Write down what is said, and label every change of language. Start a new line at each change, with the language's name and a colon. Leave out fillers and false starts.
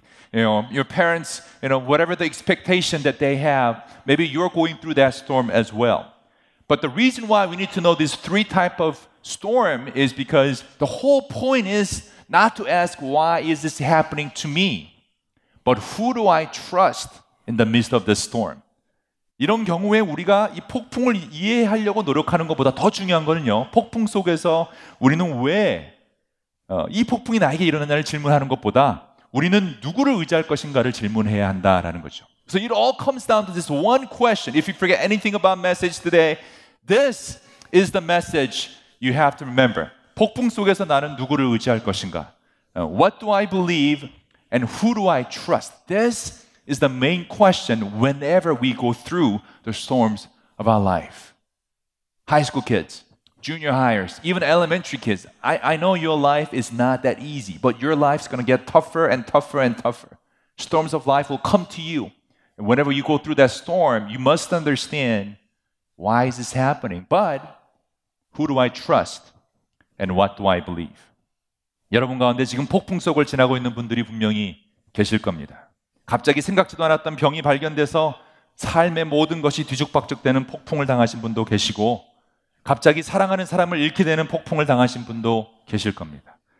English: You know, your parents, you know, whatever the expectation that they have, maybe you're going through that storm as well. But the reason why we need to know these three type of storm is because the whole point is not to ask why is this happening to me, but who do I trust in the midst of the storm?
Korean: 이런 경우에 우리가 이 폭풍을 이해하려고 노력하는 것보다 더 중요한 거는요, 폭풍 속에서 우리는 왜 이 폭풍이 나에게 일어나냐를 질문하는 것보다 우리는 누구를 의지할 것인가를 질문해야 한다라는 거죠.
English: So it all comes down to this one question. If you forget anything about message today, this is the message you have to remember.
Korean: 폭풍 속에서 나는 누구를 의지할 것인가?
English: What do I believe and who do I trust? This is the main question whenever we go through the storms of our life. High school kids, junior hires, even elementary kids. I know your life is not that easy, but your life's going to get tougher and tougher and tougher. Storms of life will come to you. And whenever you go through that storm, you must understand why is this happening. But who do I trust and what do I believe?
Korean: 여러분 가운데 지금 폭풍 속을 지나고 있는 분들이 분명히 계실 겁니다. 갑자기 생각지도 않았던 병이 발견돼서 삶의 모든 것이 뒤죽박죽되는 폭풍을 당하신 분도 계시고 갑자기 사랑하는 사람을 잃게 되는 폭풍을 당하신 분도 계실 겁니다.